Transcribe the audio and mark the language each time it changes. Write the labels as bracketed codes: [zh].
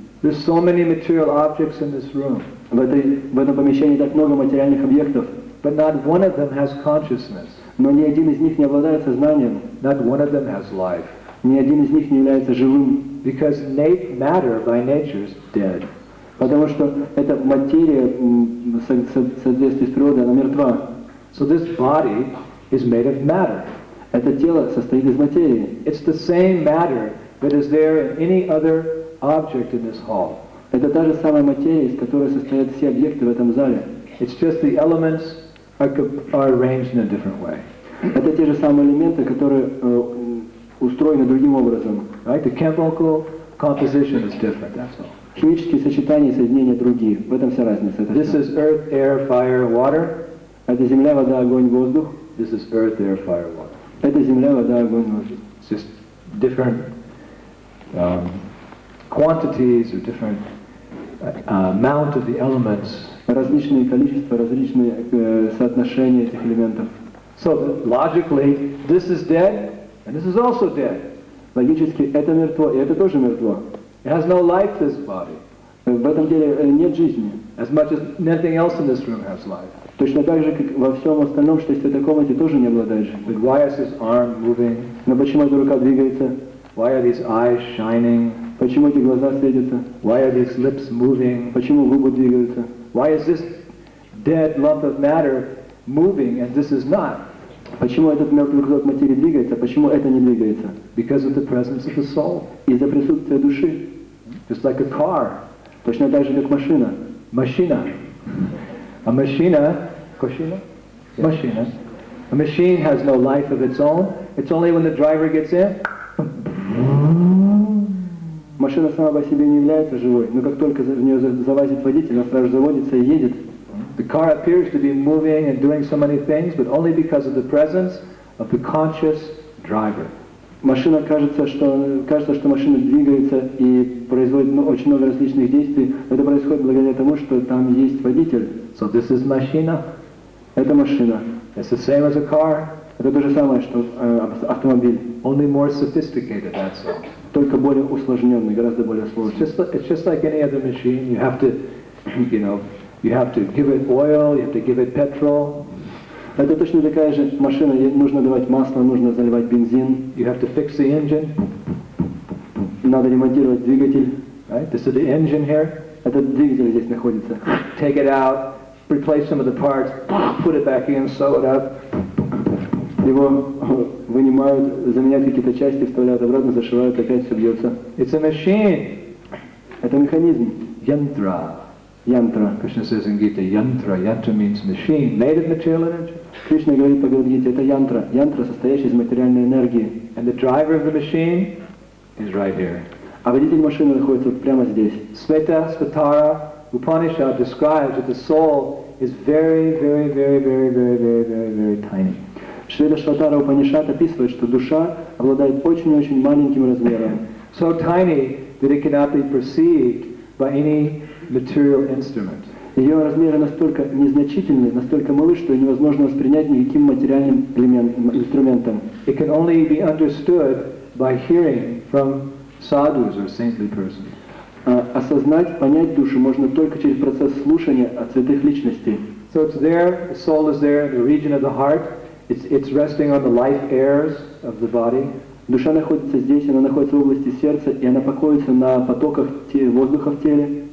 [en] There's so many material objects in this room. [ru] В этом помещении так много материальных объектов. [en] But not one of them has consciousness. [ru] Но ни один из них не обладает сознанием. [en] Not one of them has life. [ru] Ни один из них не является живым. [en] Because matter by nature is dead. [ru] Потому что эта материя, соответствии с природой, она мертва. [en] So this body is made of matter. [ru] Это тело состоит из материи. [en] It's the same matter that is there in any other object in this hall. [ru] Это та же самая материя, из которой состоят все объекты в этом зале. [en] It's just the elements are arranged in a different way. [ru] Это те же самые элементы, которые устроены другим образом. [en] Right? The chemical composition is different, that's all. [ru] Химические сочетания и соединения другие. В этом вся разница. Это [en] this [ru] все. [en] Is earth, air, fire, water. [ru] Это земля, вода, огонь, воздух. [en] This is earth, air, fire, water. [ru] Это земля, вода, огонь, воздух. [en] It's just different quantities or different amount of the elements. [ru] Различные количества, различные соотношения этих элементов. [en] So logically, this is dead and this is also dead. [ru] Логически, это мертво и это тоже мертво. [en] It has no life, this body. [ru] В этом деле нет жизни. [en] As much as nothing else in this room has life. [ru] Точно так же, как во всем остальном, что есть в этой комнате, тоже не обладает жизнью. [en] But why is his arm moving? [ru] Но почему эта рука двигается? [en] Why are these eyes shining? [ru] Почему эти глаза светятся? [en] Why are these lips moving? [ru] Почему губы двигаются? [en] Why is this dead lump of matter moving, and this is not. [ru] Почему этот мертвый кусок материи двигается, а почему это не двигается? [en] Because of the presence of the soul. [ru] Из-за присутствия души. [en] Just like a car. [ru] Точно так же, как машина. Машина. [en] A machine, [ru] кошина? [en] Yeah. [ru] Машина. [en] A machine has no life of its own. It's only when the driver gets in. [ru] Машина сама по себе не является живой, но как только в нее залазит водитель, она сразу же заводится и едет. [en] The car appears to be moving and doing so many things, but only because of the presence of the conscious driver. [ru] Машина кажется, что машина двигается и производит очень много различных действий, но это происходит благодаря тому, что там есть водитель. [en] So this is machine. [ru] Это машина. [en] It's the same as a car. [ru] Это то же самое, что автомобиль. [en] Only more sophisticated, that's all. [ru] Только более усложненный, гораздо более сложный. [en] It's just like any other machine. You have to give it oil, you have to give it petrol. [ru] Это точно такая же машина. Нужно давать масло, нужно заливать бензин. [en] You have to fix the engine. [ru] Надо ремонтировать двигатель. [en] Right? This is the engine here. [ru] Этот двигатель здесь находится. [en] Take it out, replace some of the parts, put it back in, sew it up. [ru] Его вынимают, заменяют какие-то части, вставляют обратно, зашивают, опять все бьется. [en] It's a machine. [ru] Это механизм. [sa] Yantra. Yantra. [en] Krishna says in Gita, yantra. Yantra means machine, made of material energy. [ru] Кришна говорит по Гите, это yantra. Yantra, состоящая из материальной энергии. [en] And the driver of the machine is right here. [ru] А водитель машины находится прямо здесь. [en] Smita, Svatara, Upanishad describes that the soul is very, very, very, very, very, very, very, very tiny. [ru] Шрила Шватара Упанишад описывает, что душа обладает очень-очень маленьким размером. [en] So tiny that it cannot be perceived by any material instrument. [ru] Ее размеры настолько незначительны, настолько малы, что ее невозможно воспринять никаким материальным инструментом. [en] It can only be understood by hearing from sadhus or saintly persons. [ru] Осознать, понять душу можно только через процесс слушания от святых личностей. [en] So it's there, the soul is there, the region of the heart. It's resting on the life airs of the body. [ru] Душа находится здесь, она находится в области сердца, и она покоится на потоках воздуха в теле.